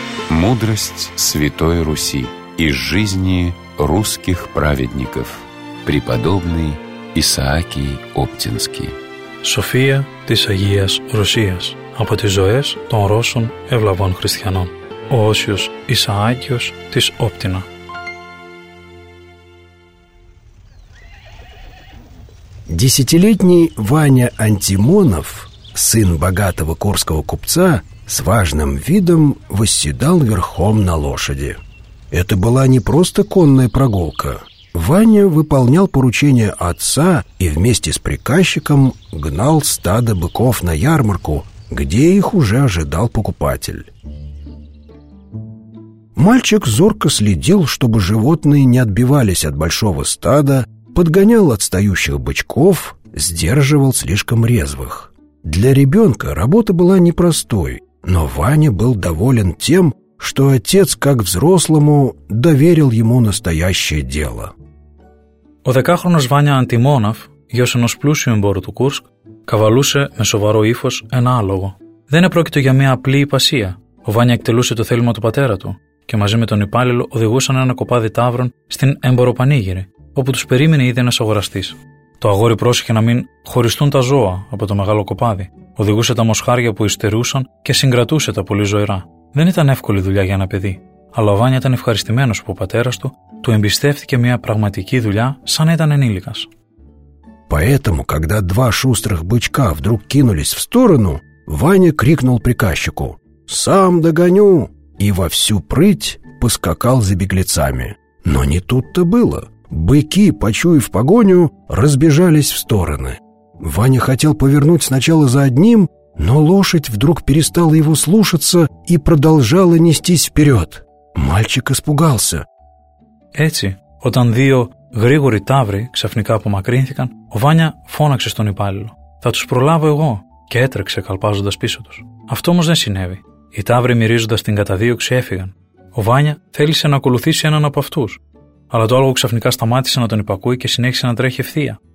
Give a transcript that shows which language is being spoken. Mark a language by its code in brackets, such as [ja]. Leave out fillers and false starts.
[ru] Мудрость Святой Руси из жизни русских праведников. Преподобный Исаакий Оптинский. [el] София της Агίας Ρωσίας. Από τις ζωές των Ρώσων ευλαβών χριστιανών. Ο Όσιος Ισαάκιος της Όπτινα. [ru] Десятилетний Ваня Антимонов, сын богатого курского купца, с важным видом восседал верхом на лошади. Это была не просто конная прогулка. Ваня выполнял поручение отца и вместе с приказчиком гнал стадо быков на ярмарку, где их уже ожидал покупатель. Мальчик зорко следил, чтобы животные не отбивались от большого стада, подгонял отстающих бычков, сдерживал слишком резвых. Для ребенка работа была непростой, но Ваня был доволен тем, что отец, как взрослому, доверил ему настоящее дело. [el] Ο 10-хронος Ваня Антимонов, γιος ενός πλούσιου εμπόρου του Κούρσκ, καβαλούσε με σοβαρό ύφος ένα άλογο. Δεν επρόκειτο για μια απλή υπασία. Ο Ваня εκτελούσε το θέλημα του πατέρα του και μαζί με τον υπάλληλο οδηγούσαν ένα κοπάδι τάβρων στην έμπορο πανήγυρη, όπου τους περίμενε ήδη ένας αγοραστής. Το αγόρι πρόσεχε να μην χωριστούν τα ζώα από το μεγάλο κοπάδι. Οδηγούσε τα μοσχάρια που υστερούσαν και συγκρατούσε τα πολύ ζωηρά. Δεν ήταν εύκολη δουλειά για ένα παιδί, αλλά ο Βάνια ήταν ευχαριστημένος που ο πατέρας του του εμπιστεύτηκε μια πραγματική δουλειά σαν να ήταν ενήλικας. [ru] Поэтому, когда два шустрых бычка вдруг кинулись в сторону, Ваня крикнул приказчику: «Сам догоню!» и во всю прыть поскакал за беглецами. Но не тут-то было. Быки, почуяв погоню, разбежались в стороны. Ваня хотел повернуть сначала за одним, но лошадь вдруг перестала его слушаться и продолжала нестись вперед. Мальчик испугался. [el] Έτσι, όταν δύο γρήγοροι ταύροι ξαφνικά απομακρύνθηκαν, ο Ваня φώναξε στον υπάλληλο: «Θα τους προλάβω εγώ!» και έτρεξε καλπάζοντας πίσω τους. Αυτό όμως δεν συνέβη. Οι ταύροι μυρίζοντας την καταδίωξη έφυγαν. Ο Ваня θέλησε να ακολουθήσει έναν από αυτούς. Αλλά το άλογο ξαφνικά σταμάτησε να τον υπακούει και συνέχισε να τρέχει ευθεία.